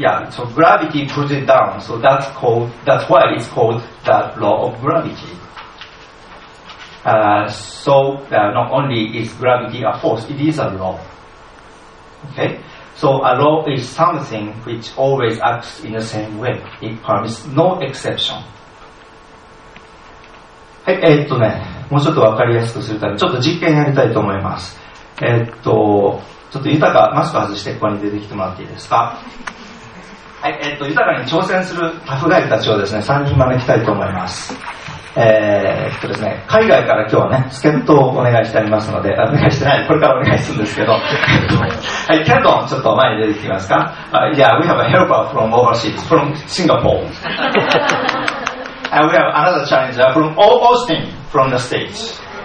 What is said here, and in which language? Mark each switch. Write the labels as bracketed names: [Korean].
[English] So gravity pulls it down. So that's why it's called the law of gravity. Not only is gravity a force, it is a law. Okay? So a law is something which always acts in the same way. It permits no exception. [Japanese] はい、ね、もうちょっとわかりやすくするため、ちょっと実験やりたいと思います。ちょっと豊か、マスク外してここに出てきてもらっていいですか？はい、豊かに挑戦するタフガイたちをですね、3人招きたいと思います。ですね、海外から今日はね、助っ人をお願いしてありますので、お願いしてない、これからお願いするんですけど、はい、ケントン、ちょっと前に出てきますか。 [English] We have a helper from overseas, from Singapore. And we have another challenger from Austin, from the States.